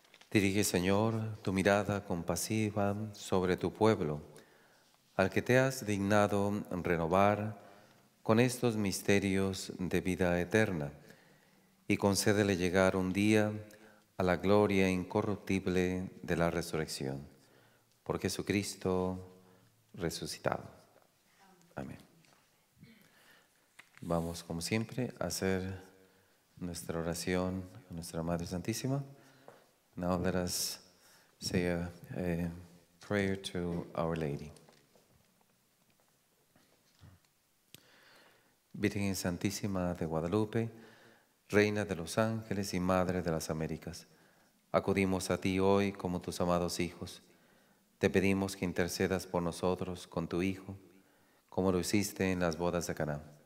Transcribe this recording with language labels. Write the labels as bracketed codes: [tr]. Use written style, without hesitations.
[es] Dirige, Señor, tu mirada compasiva sobre tu pueblo, al que te has dignado renovar con estos misterios de vida eterna, y concédele llegar un día a la gloria incorruptible de la resurrección. Por Jesucristo, resucitado. Amén. Vamos, como siempre, a hacer nuestra oración a nuestra Madre Santísima. [en] Now let us say a prayer to Our Lady. [es] Virgen Santísima de Guadalupe, Reina de los Ángeles y Madre de las Américas, acudimos a ti hoy como tus amados hijos. Te pedimos que intercedas por nosotros con tu Hijo, como lo hiciste en las bodas de Caná.